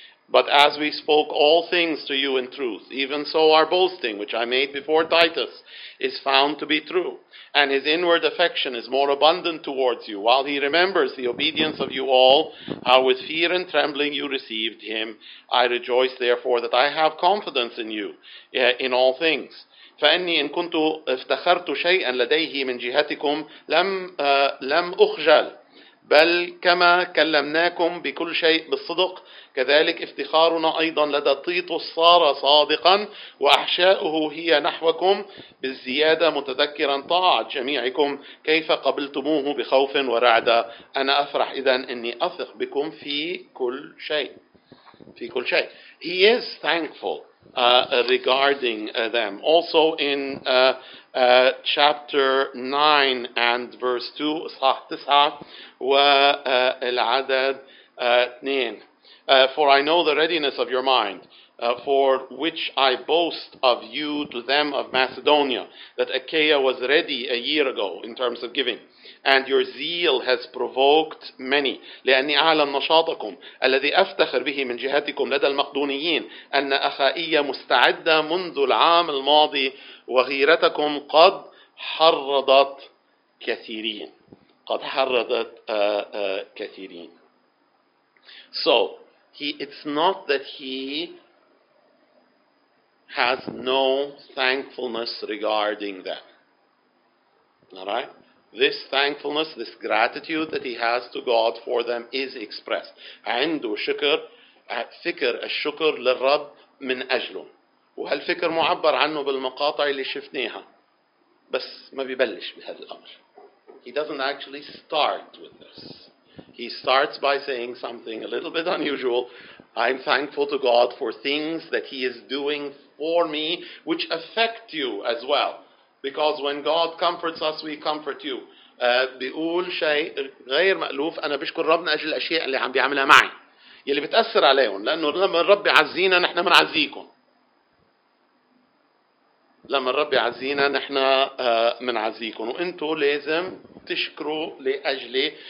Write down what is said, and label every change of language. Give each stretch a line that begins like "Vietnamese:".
English: But as we spoke all things to you in truth, even so our boasting, which I made before Titus, is found to be true. And his inward affection is more abundant towards you, while he remembers the obedience of you all, how with fear and trembling you received him. I rejoice therefore that I have confidence in you in all things.
Arabic: فأني إن كنت افتخرت شيئا لديه من جهتكم لم أخجل. بل كما كلمناكم بكل شيء بالصدق كذلك افتخارنا أيضا لدى تيتوس صار صادقا وأحشاؤه هي نحوكم بالزيادة متذكرا طاعة جميعكم كيف قبلتموه بخوف ورعدة. أنا أفرح إذن أني أثق بكم في كل شيء. في كل شيء.
English: He is thankful regarding them. Also in chapter 9 and verse 2,
Arabic: إصحاح 9 والعدد 2.
English: For I know the readiness of your mind, for which I boast of you to them of Macedonia, that Achaia was ready a year ago in terms of giving. And your zeal has provoked many.
Arabic: لأني أعلم نشاطكم الذي أفتخر به من جهتكم لدى المقدونيين أن أخائي مستعدة منذ العام الماضي وغيرتكم قد حرضت كثيرين. قد حرضت كثيرين.
English: So, it's not that he has no thankfulness regarding them. Alright? This thankfulness, this gratitude that he has to God for them is expressed.
Arabic: عنده شكر فكر الشكر للرب من أجله. وهالفكر معبر عنه بالمقاطع اللي شفناها. بس ما بيبلش بهذا الأمر.
English: He doesn't actually start with this. He starts by saying something a little bit unusual. I'm thankful to God for things that he is doing for me, which affect you as well. Because when God comforts us, we comfort you.
Arabic: بيقول شيء غير مألوف. أنا بشكر ربنا أجل الأشياء اللي عم بيعملها معي. يلي بتأثر عليهم. لأنه لما الرب يعزينا نحن منعزيكم. لما الرب يعزينا نحن منعزيكم. وإنتوا لازم تشكروا لأجلي.